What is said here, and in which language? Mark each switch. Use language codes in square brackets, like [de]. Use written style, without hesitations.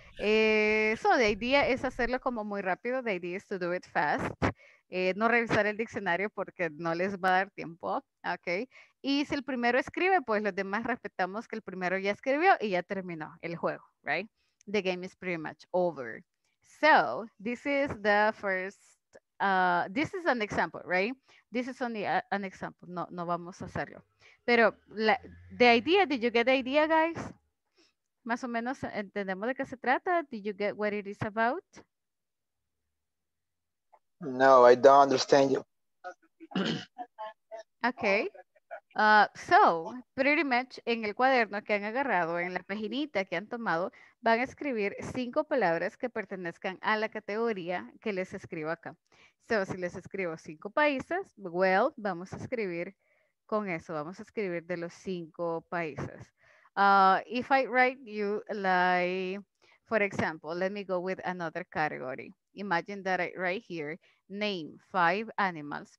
[en] So, the idea [es] es hacerlo como muy rápido. [en] The idea is to do it fast. [es] No revisar el diccionario porque no les va a dar tiempo. ¿Ok? Y si el primero escribe, pues los demás respetamos que el primero ya escribió y ya terminó el juego. [en] ¿Right? The game is pretty much over. So, this is the first, this is an example, right? This is only an example, [es] no vamos a hacerlo. Pero, [en] the idea, did you get the idea, guys? [es] Más o menos entendemos de qué se trata. [en] Did you get what it is about? No, I don't understand you. Okay. So, pretty much [es] en el cuaderno que han agarrado, en la paginita que han tomado, van a escribir cinco palabras que pertenezcan a la categoría que les escribo acá. So, si les escribo cinco países, well, vamos a escribir con eso, vamos a escribir de los cinco países. [en] If I write you like, for example, let me go with another category. Imagine that I write here, name five animals.